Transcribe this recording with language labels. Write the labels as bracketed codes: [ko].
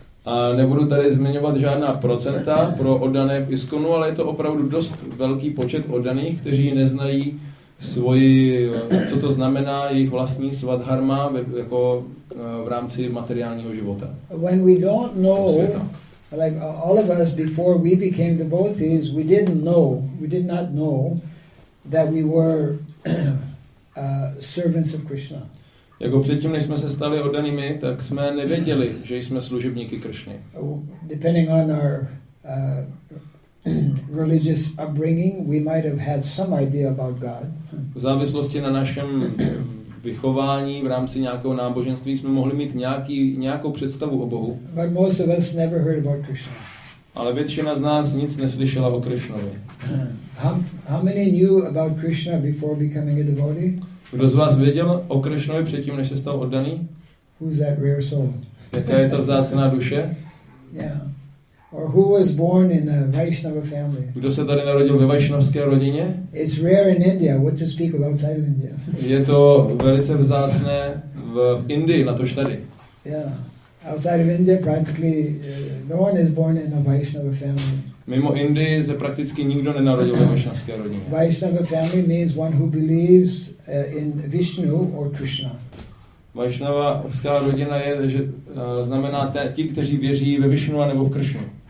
[cs] A nebudu tady zmiňovat žádná procenta pro oddané v ISKONu, ale je to opravdu dost velký počet oddaných, kteří neznají svoji, co to znamená, jejich vlastní svadharma jako v rámci materiálního života. [en] When we don't know, like all of us before we became devotees, we did not know that we were servants of Krishna. [cs] Jako předtím, než jsme se stali oddanými, tak jsme nevěděli, že jsme služebníky Krišny. [en] Depending on our religious upbringing, we might have had some idea about God. [cs] V závislosti na našem vychování v rámci nějakého náboženství jsme mohli mít nějakou představu o Bohu. [en] But most of us never heard about Krishna. [cs] Ale většina z nás nic neslyšela o Krišnovi. [en] How many knew about Krishna before becoming a devotee? [cs] Kdo z vás věděl o Krišnovi předtím, než se stal oddaný? [en] Who's that rare soul? [cs] Jaká je ta vzácná duše? [en] Yeah. Or who was born in a Vaishnava family? [cs] Kdo se tady narodil ve vaishnavské rodině? [en] It's rare in India. What to speak of outside of India? [cs] Je to velice vzácné v Indii, natož tady. [en] Yeah. Outside of India, practically no one is born in a Vaishnava family. [cs] Mimo Indii se prakticky nikdo nenarodil ve vaishnavské rodině. [en] Vaishnava family means one who believes in Vishnu or Krishna. [cs] Vaishnavská rodina je, že znamená ti, kteří věří ve Vishnu a nebo v Krishnu.